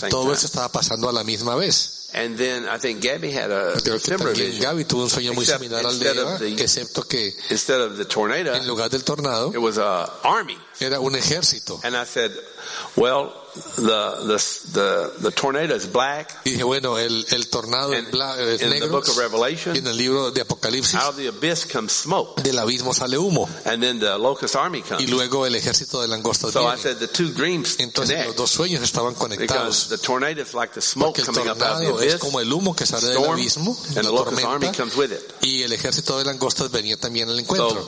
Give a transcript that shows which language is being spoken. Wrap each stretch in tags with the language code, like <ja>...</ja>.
<es>y todo eso estaba pasando a la misma vez.</es> <en>And then I think Gabby had a</en> <es>Gabby tuvo un sueño muy similar al de Eva, excepto que</es> <en>instead of the tornado,</en> <es>en lugar del tornado,</es> <en>it was a army.</en> <es>Era un ejército.</es> <en>And I said, well, the tornado is black.</en> <es>Y dije, bueno, el tornado es negro.</es> <en>In the book of Revelation,</en> <es>en el libro de Apocalipsis,</es> <en>out of the abyss comes smoke.</en> <es>Del abismo sale humo.</es> <en>And then the locust army comes.</en> <es>Y luego el ejército de langostas viene.</es> <en>I said the two dreams</en> <es>connect. Entonces los dos sueños estaban conectados.</es> <en>Because the tornado is like the smoke coming up out of the abyss.</en> <es>Porque el tornado es como el humo que sale del abismo,</es> <en>and the locust army comes with it.</en> <es>Y el ejército de langostas venía también al encuentro.</es>